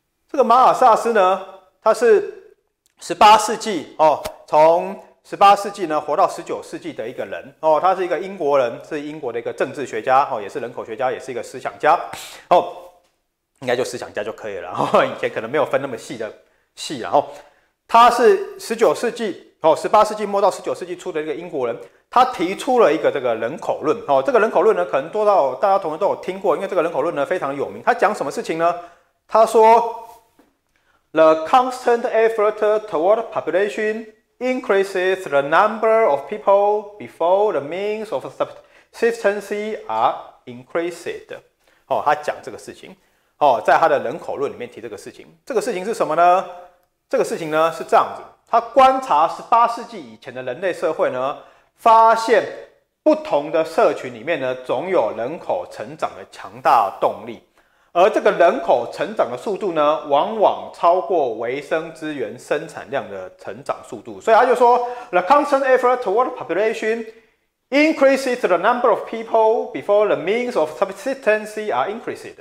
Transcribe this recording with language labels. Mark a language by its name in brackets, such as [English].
[Chinese] 这个马尔萨斯呢，他是18世纪活到19世纪的一个人，他是一个英国人，是英国的一个政治学家，也是人口学家，也是一个思想家，应该就思想家就可以了，以前可能没有分那么细，然后他是18世纪末到19世纪初的一个英国人，他提出了一个这个人口论。这个人口论呢，可能多到大家同学都有听过，因为这个人口论呢非常有名。他讲什么事情呢？他说 [English] ，The constant effort toward population increases the number of people before the means of subsistence are increased。 [Chinese] 他讲这个事情。在他的人口论里面提这个事情。这个事情是什么呢？这个事情呢是这样子。他观察18世纪以前的人类社会呢，发现不同的社群里面呢，总有人口成长的强大动力，而这个人口成长的速度呢，往往超过维生资源生产量的成长速度。所以他就说 [English] ，The constant effort toward population increases the number of people before the means of subsistence are increased。